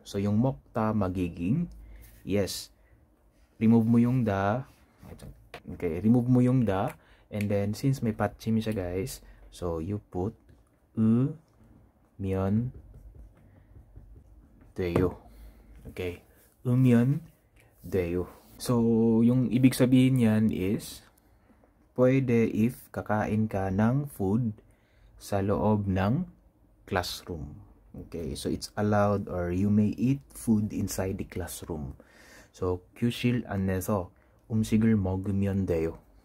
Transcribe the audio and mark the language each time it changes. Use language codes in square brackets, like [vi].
[tl] So yung mokta magiging yes. Remove mo yung da. [en] Okay, remove [tl] mo yung da. [en] And then, since [tl] may patchim siya [en] guys, so you put [ko] 으면 돼요. Okay. 으면 돼요. [tl] So, yung ibig sabihin niyan is pwede if kakain ka ng food sa loob ng classroom. [en] Okay, so it's allowed or you may eat food inside the classroom. [ko] So, 교실 안에서 음식을 먹으면 돼요.